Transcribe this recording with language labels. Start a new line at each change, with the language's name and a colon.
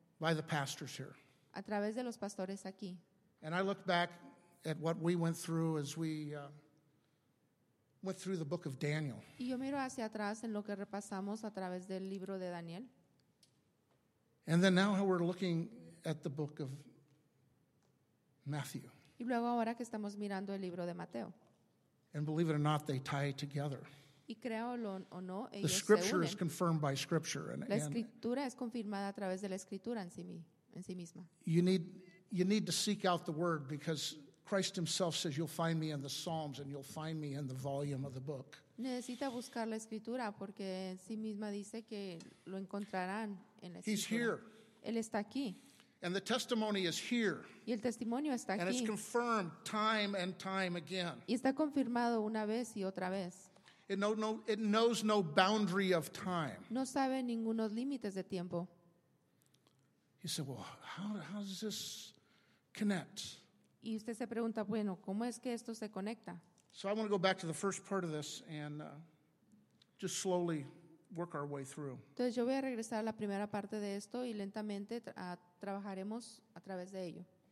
English: By the pastors here.
Spanish: A través de los pastores aquí.
English: And I look back at what we went through as we went through the book of Daniel.
Spanish: Y yo miro hacia atrás en lo que repasamos a través del libro de Daniel.
English: And then now how we're looking at the book of Matthew.
Spanish: Y luego ahora que estamos mirando el libro de Mateo.
English: And believe it or not, they tie together.
Spanish: Y creo o no,
English: the scripture is confirmed by scripture. And,
Spanish: la escritura es confirmada a través de la escritura en sí misma.
English: You need to seek out the word because Christ himself says you'll find me in the Psalms and you'll find me in the volume of the book.
Spanish: Necesita buscar la escritura porque en sí misma dice que lo encontrarán en la escritura.
English: He's here.
Spanish: Él está aquí.
English: And the testimony is here.
Spanish: Y el testimonio está aquí.
English: And it's confirmed time and time again.
Spanish: Y está confirmado una vez y otra vez.
English: It knows no boundary of time.
Spanish: No sabe ningunos límites de tiempo.
English: He said, well, how does this connect?
Spanish: Y usted se pregunta, bueno, ¿cómo es que esto se conecta?
English: So I want to go back to the first part of this and just slowly work our way through.
Spanish: Entonces yo voy a regresar a la primera parte de esto y lentamente trabajaremos a través de ello.